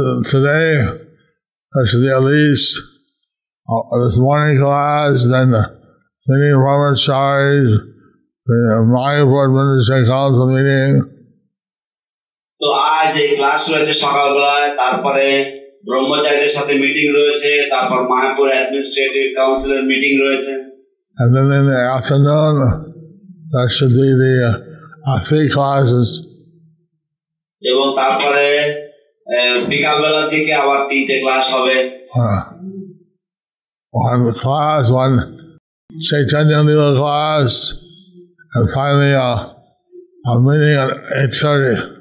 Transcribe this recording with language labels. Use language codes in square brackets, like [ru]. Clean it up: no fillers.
[en] Today, actually at least, this morning class, then the meeting Ramacharis, the Mayapur Administration Council meeting. [bn] তো আজ এই class রয়েছে সকালবেলায়, তারপরে ব্রহ্মচারীদের সাথে মিটিং রয়েছে, তারপর মায়াপুর অ্যাডমিনিস্ট্রেটিভ কাউন্সিলের মিটিং রয়েছে. [en] And then in the afternoon, that should be the three classes. [bn] এবং তারপরে বিকালবেলার দিকে আবার তিনটে ক্লাস হবে. [en] One class, one Chaitanya Lila class, and finally a meeting at 8:30.